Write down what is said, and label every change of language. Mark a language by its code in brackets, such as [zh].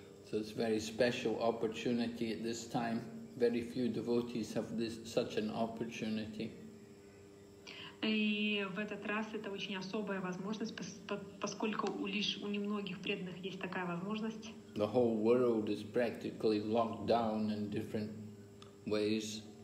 [en] So it's a very special opportunity at this time. Very few devotees have this such an opportunity. [ru] И в этот раз это очень особая возможность, поскольку лишь у немногих преданных есть такая возможность. [en] The whole world is practically locked down in different ways.